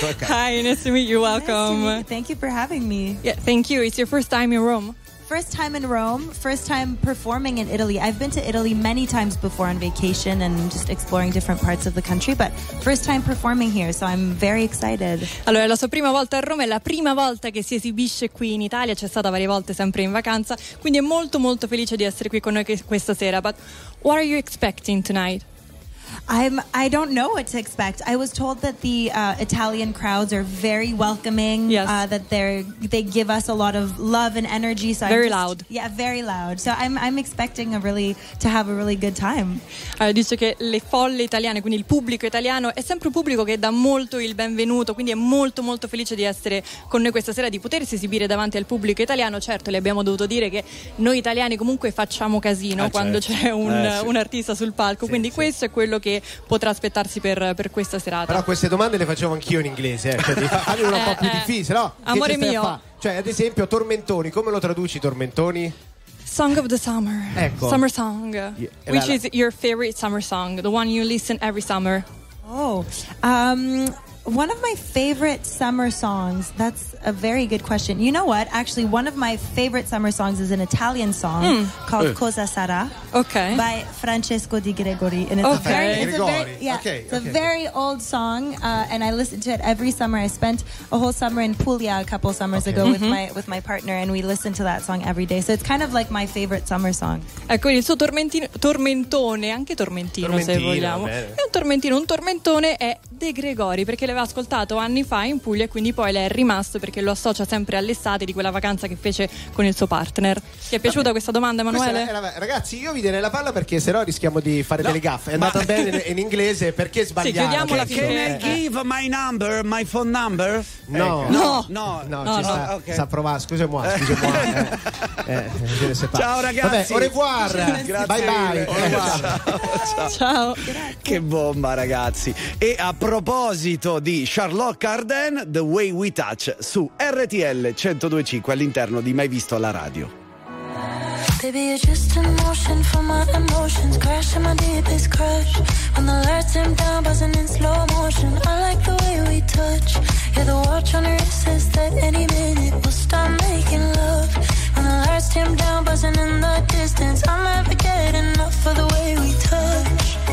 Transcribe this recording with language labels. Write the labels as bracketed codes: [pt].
[en] Hi, nice to meet you. Welcome. Nice to meet you. Thank you for having me. Yeah, thank you. It's your first time in Rome. First time in Rome, first time performing in Italy. I've been to Italy many times before on vacation and just exploring different parts of the country, but first time performing here, so I'm very excited. [it] Allora, è la sua prima volta a Roma, è la prima volta che si esibisce qui in Italia, c'è stata varie volte sempre in vacanza, quindi è molto molto felice di essere qui con noi questa sera. [en] But what are you expecting tonight? I don't know what to expect. I was told that the Italian crowds are very welcoming. Yes. That they give us a lot of love and energy. So very loud. Yeah, very loud. So I'm expecting to have a really good time. [it] Dice che le folle italiane, quindi il pubblico italiano, è sempre un pubblico che dà molto il benvenuto, quindi è molto molto felice di essere con noi questa sera, di potersi esibire davanti al pubblico italiano. Certo, le abbiamo dovuto dire che noi italiani comunque facciamo casino quando c'è un artista sul palco. Sì, quindi sì, questo è quello che potrà aspettarsi per questa serata. Però queste domande le facevo anch'io in inglese, fammi una po' più difficile, no? Amore mio, cioè, ad esempio, tormentoni, come lo traduci tormentoni? [en] Song of the summer. [it] Ecco. [en] Summer song. Yeah. Which is your favorite summer song? The one you listen every summer? Oh. One of my favorite summer songs. That's a very good question. You know what? Actually, one of my favorite summer songs is an Italian song called Cosa Sarà. Okay. By Francesco Di Gregori. And it's okay. A very old song, and I listen to it every summer. I spent a whole summer in Puglia a couple summers ago with my partner, and we listen to that song every day. So it's kind of like my favorite summer song. [it] Ecco, il suo tormentone, anche tormentino se vogliamo. È un tormentino, un tormentone è De Gregori, perché aveva ascoltato anni fa in Puglia e quindi poi le è rimasto perché lo associa sempre all'estate di quella vacanza che fece con il suo partner. Ti è piaciuta questa domanda, Emanuele? Ragazzi, io vi direi la palla perché sennò rischiamo di fare delle gaffe. È andata bene in inglese, perché sbagliamo? Sì, chiudiamo la [en] Can I give my number, my phone number? [it] No. Sta provando. Scusa, ciao ragazzi. Vabbè, au revoir. Grazie. Ciao. Che bomba, ragazzi. E a proposito di Charlotte Cardin, The Way We Touch su RTL 102.5 all'interno di Mai Visto alla Radio. [en] Baby, you're just in motion for my emotions, crashing my deepest crush. When the lights dim down, buzzing in slow motion, I like the way we touch. Yeah, the watch on your wrist says that any minute we'll start making love. When the lights dim down, buzzing in the distance, I'll never get enough of the way we touch.